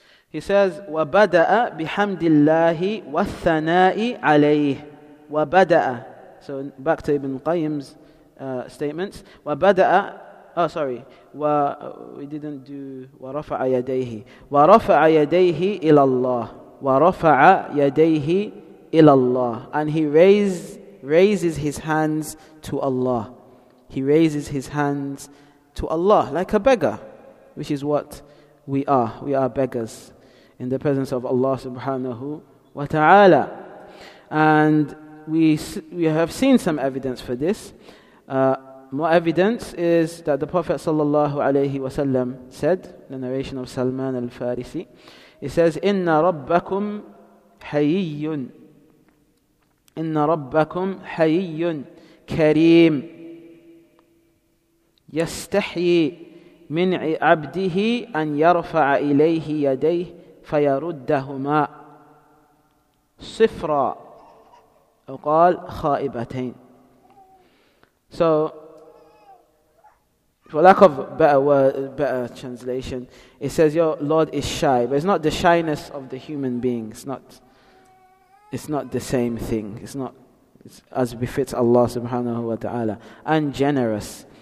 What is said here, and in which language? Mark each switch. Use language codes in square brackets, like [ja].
[en] He says, [ar] وَبَدَأَ بِحَمْدِ اللَّهِ وَالثَّنَاءِ عَلَيْهِ وَبَدَأَ. [en] So back to Ibn Qayyim's statements, وَبَدَأَ. Oh, sorry. We didn't do [ar] وَرَفَعَ يَدَيْهِ. وَرَفَعَ يَدَيْهِ إِلَى اللَّهِ. وَرَفَعَ يَدَيْهِ إِلَى اللَّهِ. [en] And he raises his hands to Allah. He raises his hands to Allah like a beggar, which is what We are beggars in the presence of Allah subhanahu wa ta'ala. And we have seen some evidence for this. More evidence is that the Prophet sallallahu alayhi wa sallam said, the narration of Salman al-Farisi, he says, [ar] إِنَّ رَبَّكُمْ حَيِّيٌ إِنَّ رَبَّكُمْ حَيِّيٌ كَرِيمٌ يَسْتَحْيِي مِنْ عَبْدِهِ أَنْ يَرْفَعَ إِلَيْهِ يَدَيْهِ فَيَرُدَّهُمَا صِفْرًا أو قال خائبتين. [en] So, for lack of better word, better translation, it says, your Lord is shy. But it's not the shyness of the human being. It's not the same thing. It's as befits Allah subhanahu wa ta'ala. And generous.